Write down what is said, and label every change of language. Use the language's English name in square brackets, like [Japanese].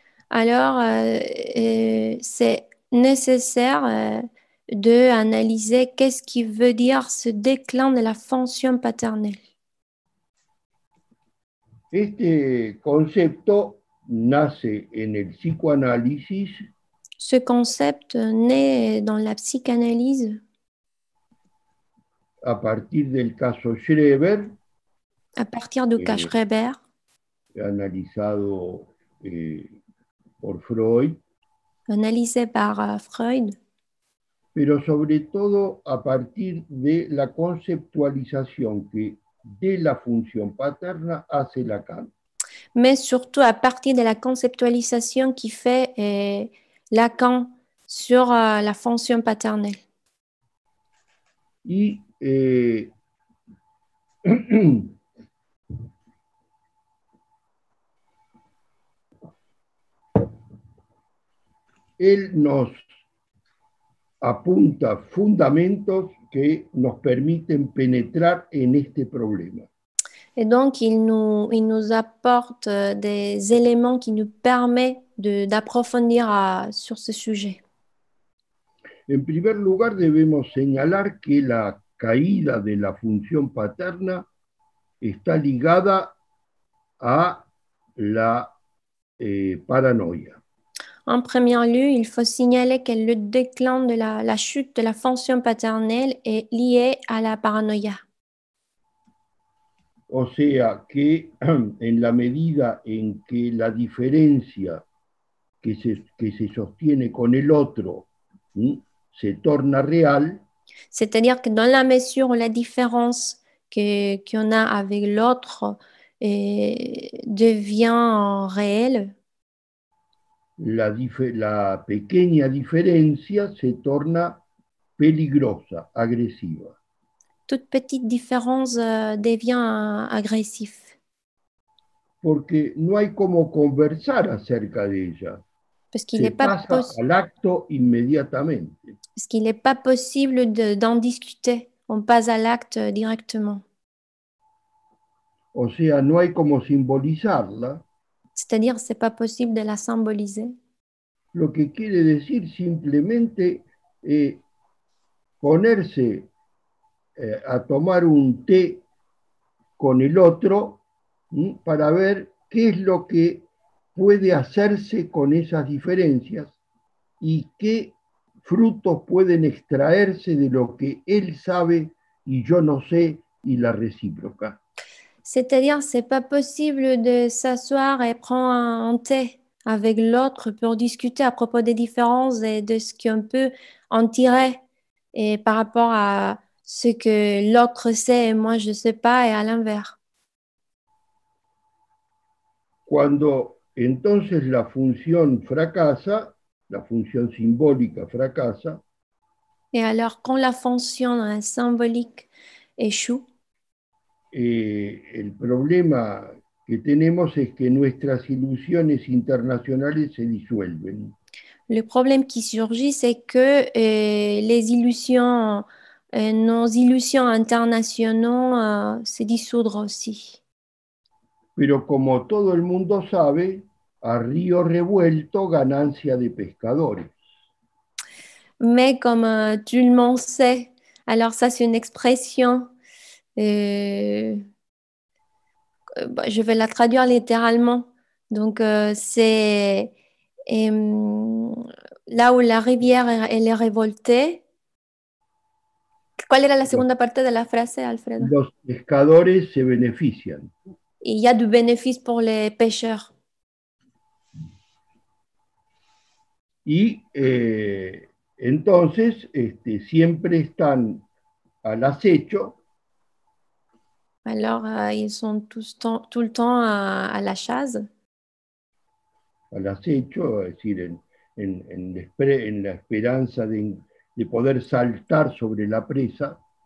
[French] Alors, c'est nécessaire de analyser qu'est-ce qui veut dire ce déclin de la fonction paternelle. [Spanish] Este concepto nace en el psicoanálisis. [French] Ce concept naît dans la psychanalyse. [Spanish] A partir del caso Schreber. [French] À partir du cas Schreber. [Spanish] Analizado por Freud. [French] Analysé par Freud. [Spanish] Pero sobre todo a partir de la conceptualización que de la función paterna hace Lacan. [French] Mais surtout à partir de la conceptualisation qui fait Lacan sur la fonction paternelle. [Spanish] Y él nos apunta fundamentos que nos permiten penetrar en este problema. [French] Et donc il nous apporte des éléments qui nous permet d'approfondir sur ce sujet. [Spanish] En primer lugar, debemos señalar que la caída de la función paterna está ligada a la paranoia. [French] En premier lieu, il faut signaler que le déclin de la chute de la fonction paternelle est lié à la paranoïa. [Spanish] O sea que en la medida en que la diferencia que se sostiene con el otro se torna real. [French] C'est-à-dire que dans la mesure où la différence qu'on a avec l'autre devient réelle. [Spanish] La pequeña diferencia se torna peligrosa, agresiva. [French] Toute petite différence devient agressif. [Spanish] Porque no hay como conversar acerca de ella. [French] Parce qu'il n'est pas [Spanish] à l'acto inmediatamente. [French] Parce qu'il n'est pas possible d'en discuter. On passe à l'acte directement. [Spanish] O sea, no hay como simbolizarla. [French] C'est-à-dire, c'est pas possible de la symboliser. [Spanish] Lo que quiere decir simplemente es ponerse a tomar un té con el otro para ver qué es lo que puede hacerse con esas diferencias y qué frutos pueden extraerse de lo que él sabe y yo no sé y la recíproca. [French] C'est-à-dire, c'est pas possible de s'asseoir et prendre un thé avec l'autre pour discuter à propos des différences et de ce qu'on peut en tirer et par rapport à ce que l'autre sait et moi je sais pas et à l'inverse. [Spanish] Cuando entonces la función fracasa, la función simbólica fracasa. [French] Et alors, quand la fonction symbolique échoue, [Spanish] el problema que tenemos es que nuestras ilusiones internacionales se disuelven. [French] Le problème qui surgit, c'est que nos illusions internationales se dissoudrent aussi. [Spanish] Pero como todo el mundo sabe, a río revuelto, ganancia de pescadores. [French] Mais comme tout le monde sait, alors ça c'est une expression, je vais la traduire littéralement. Donc c'est là où la rivière elle est révoltée. Quelle est la seconde partie de la phrase, Alfredo? [Spanish] Los pescadores se benefician. [French] Il y a du bénéfice pour les pêcheurs. [Spanish] Y entonces siempre están al acecho. [French] Alors ils sont tout le temps à la chasse. [Spanish] Al acecho, es decir, en la esperanza de poder saltar sobre la presa.